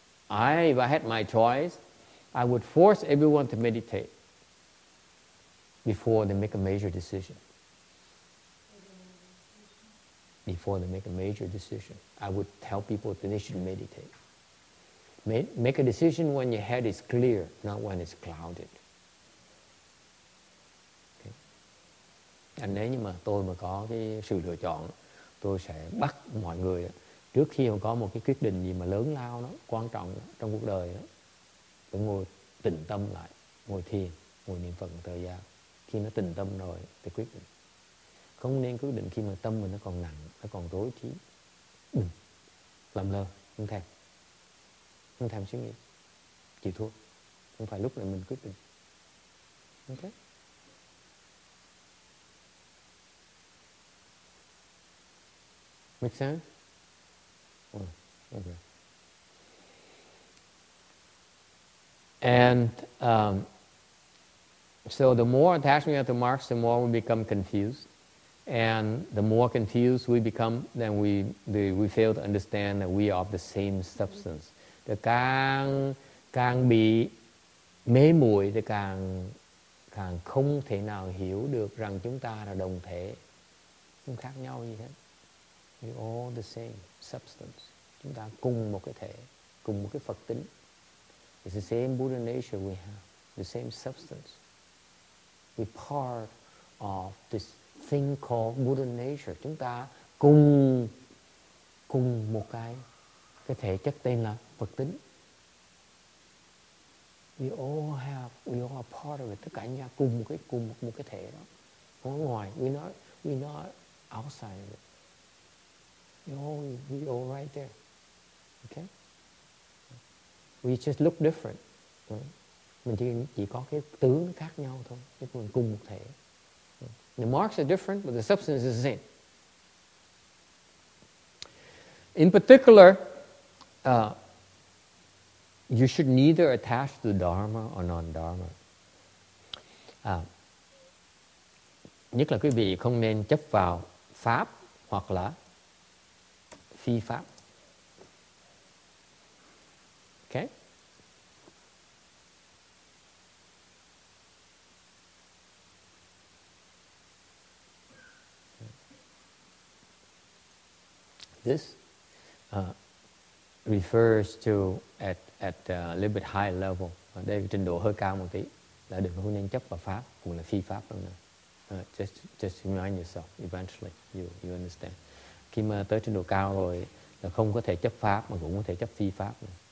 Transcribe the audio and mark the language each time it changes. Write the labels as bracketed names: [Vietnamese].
[English] If I had my choice, I would force everyone to meditate before they make a major decision. Before they make a major decision, I would tell people that they should meditate. Make a decision when your head is clear, not when it's clouded. Okay. [Vietnamese] Anh nếu như mà tôi mà có cái sự lựa chọn, tôi sẽ bắt mọi người trước khi mà có một cái quyết định gì mà lớn lao đó, quan trọng đó, trong cuộc đời đó, phải ngồi tĩnh tâm lại, ngồi thiền, ngồi niệm Phật một thời gian. Khi nó tĩnh tâm rồi thì quyết định. Không nên quyết định khi mà tâm mình nó còn nặng, nó còn rối trí, lầm lơ, không thèm. Không thèm suy nghĩ, chịu thua. Không phải lúc này mình quyết định. [English] Ok. Make sense? Ok. And so the more attachment we have to marks, the more we become confused. And the more confused we become, then we fail to understand that we are of the same substance. [Vietnamese] Càng càng bị mê muội thì càng càng không thể nào hiểu được rằng chúng ta là đồng thể, không khác nhau gì hết. [English] We're all the same substance. [Vietnamese] Chúng ta cùng một cái thể, cùng một cái Phật tính. [English] It's the same Buddha nature we have, the same substance. We're part of this thing called Buddha nature. [Vietnamese] Chúng ta cùng một cái thể chất tên là Phật tính. [English] We all are part of it. [Vietnamese] Tất cả chúng ta cùng một cái thể đó. Không có ngoài. [English] We're not outside of it. We all right there. Okay? We just look different. [Vietnamese] Mình chỉ có cái tướng khác nhau thôi. Chứ mình cùng một thể. [English] The marks are different, but the substance is the same. In particular, you should neither attach to Dharma or non-Dharma. [Vietnamese] Nhất là quý vị không nên chấp vào Pháp hoặc là Phi Pháp. [English] Okay? This refers to at a little bit high level. [Vietnamese] Đây là trình độ hơi cao một tí. Là đừng có nên chấp vào Pháp cũng là Phi Pháp luôn nè. [English] Just remind yourself. Eventually, you understand. [Vietnamese] Khi mà tới trình độ cao rồi, là không có thể chấp Pháp mà cũng có thể chấp Phi Pháp nữa.